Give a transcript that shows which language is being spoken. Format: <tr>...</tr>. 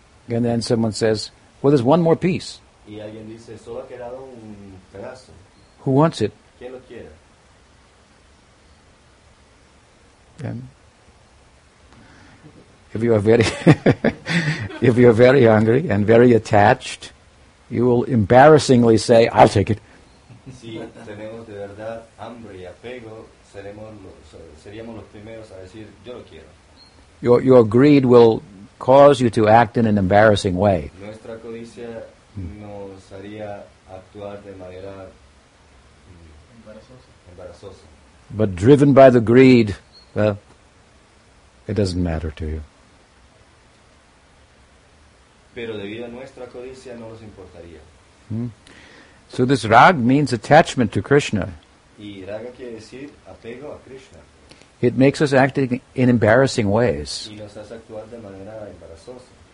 <en>And then someone says, well, there's one more piece.</en> <es>Y alguien dice, solo ha quedado un pedazo.</es> <en>Who wants it?</en> <es>¿Quién lo quiere?</es> <en>And if you are very if you are very hungry and very attached, you will embarrassingly say, I'll take it.</en> <es>Si tenemos de verdad hambre y apego, seríamos los primeros a decir, yo lo quiero.</es> <en>Your greed will cause you to act in an embarrassing way.</en> <es>Nuestra codicia nos haría actuar de manera embarazosa.</es> <en>But driven by the greed, well, it doesn't matter to you.</en> <es>Pero debido a nuestra codicia no nos importaría.</es> <en>Hmm. So this rag means attachment to Krishna.</en> <es>Y raga quiere decir apego a Krishna.</es> <en>It makes us act in embarrassing ways.</en> <es>Y nos hace actuar de manera embarazosa.</es>